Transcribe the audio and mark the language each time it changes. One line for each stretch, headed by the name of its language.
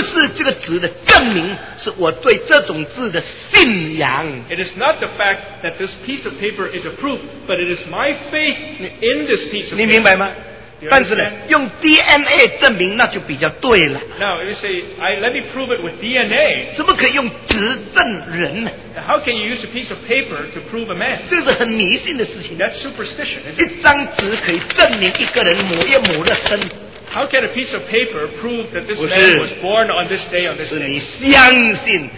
English: It is not the fact that this piece of paper is a proof, but it is my faith in this piece of paper.
Chinese: 你明白吗?但是呢, 用DNA证明,
English: now, you say, let me prove it with DNA.
Chinese: 怎么可以用纸证人呢?
English: How can you use a piece of paper to prove a man?
Chinese: 这是很迷信的事情,
English: that's superstition.
Chinese: 一张纸可以证明一个人某月某日生,
English: how can a piece of paper prove that this
Chinese: 不是,
English: man was born on this day, on this day?